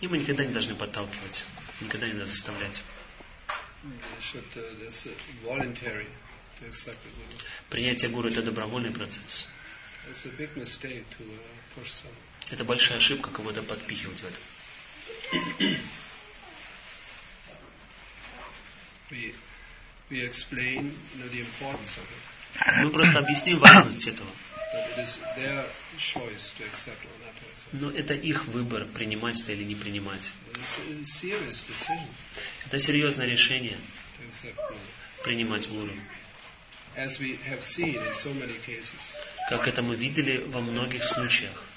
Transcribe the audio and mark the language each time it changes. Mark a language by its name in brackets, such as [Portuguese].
[Russian] И мы никогда не должны подталкивать, никогда не должны заставлять. [English] That's voluntary to accept the guru. [Russian] Принятие гуру – это добровольный процесс. [English] It's a big mistake to push someone. [Russian] Это большая ошибка кого-то подпихивать в это. [English] We explain, you know, the importance of it. [Russian] Мы просто объясним важность этого. [English] But it is their choice to accept or not to accept. [Russian] Но это их выбор, принимать это или не принимать. [English] It's a serious decision. [Russian] Это серьезное решение [English] to accept guru. [Russian] Принимать гуру. [English] As we have seen in so many cases. [Russian] Как это мы видели во многих случаях.